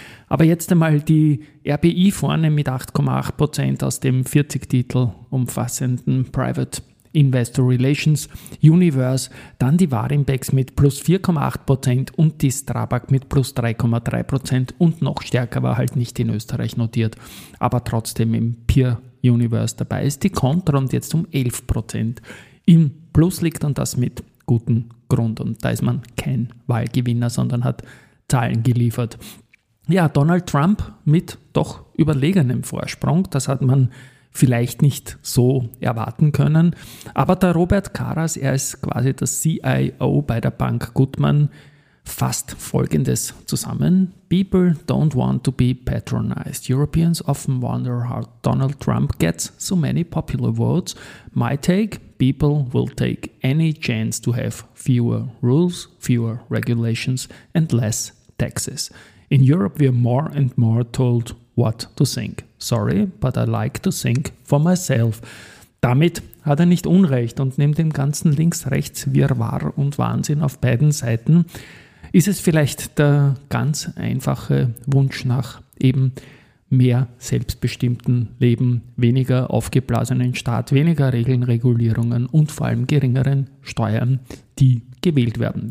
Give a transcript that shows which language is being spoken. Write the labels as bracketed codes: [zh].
[de] Aber jetzt einmal die RBI vorne mit 8,8% aus dem 40 Titel umfassenden Private Investor Relations Universe, dann die Warimbex mit plus 4,8% und die Strabag mit plus 3,3% und noch stärker war halt nicht in Österreich notiert, aber trotzdem im Peer Universe dabei ist die Kontron jetzt um 11% im Plus liegt und das mit gutem Grund und da ist man kein Wahlgewinner, sondern hat Zahlen geliefert. Ja, Donald Trump mit doch überlegenem Vorsprung, das hat man vielleicht nicht so erwarten können. Aber der Robert Karas, er ist quasi der CIO bei der Bank Goodman, fasst Folgendes zusammen. [en] People don't want to be patronized. Europeans often wonder how Donald Trump gets so many popular votes. My take, people will take any chance to have fewer rules, fewer regulations and less taxes. In Europe, we are more and more told what to think. Sorry, but I like to think for myself. [de] Damit hat er nicht Unrecht und nimmt dem ganzen Links-Rechts-Wirrwarr und Wahnsinn auf beiden Seiten. Ist es vielleicht der ganz einfache Wunsch nach eben mehr selbstbestimmten Leben, weniger aufgeblasenen Staat, weniger Regeln, Regulierungen und vor allem geringeren Steuern, die gewählt werden.